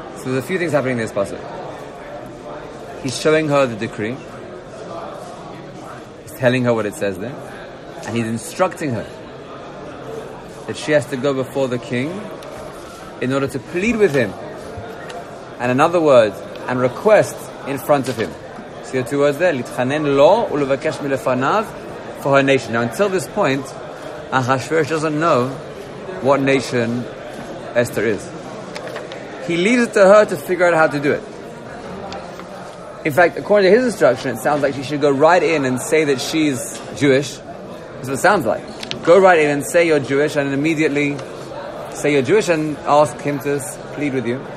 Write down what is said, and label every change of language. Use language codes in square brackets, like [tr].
[en] So there's a few things happening in this passage. He's showing her the decree. He's telling her what it says there. And he's instructing her that she has to go before the king in order to plead with him. And in other words, and request in front of him. See the two words there? [he] להתחנן לו ולבקש מלפניו [en] for her nation. Now until this point, Ahasuerus doesn't know what nation Esther is. He leaves it to her to figure out how to do it. In fact, according to his instruction, it sounds like she should go right in and say that she's Jewish. That's what it sounds like. Go right in and say you're Jewish, and then immediately say you're Jewish and ask him to plead with you.